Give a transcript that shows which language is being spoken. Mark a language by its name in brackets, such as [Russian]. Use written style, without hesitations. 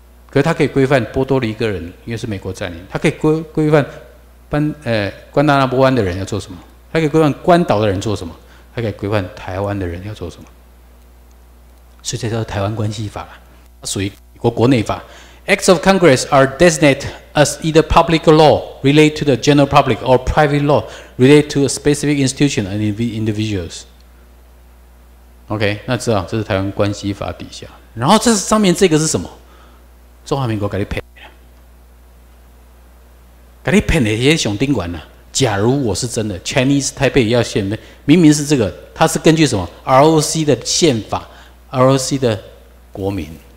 [Chinese] 可是他可以规范波多黎各人，因为是美国占领，他可以规范关达纳波湾的人要做什么，他可以规范关岛的人做什么，他可以规范台湾的人要做什么，所以这叫做台湾关系法，属于美国国内法。 [English] Acts of Congress are designated as either public law related to the general public or private law related to a specific institution and individuals. [Chinese] OK, 那知道这是台湾关系法底下。然后这上面这个是什么？中华民国给你骗的。给你骗的那些熊丁管、啊、假如我是真的 ,Chinese Taipei 要宪法，明明是这个，它是根据什么 ?ROC 的宪法 ,ROC 的国民。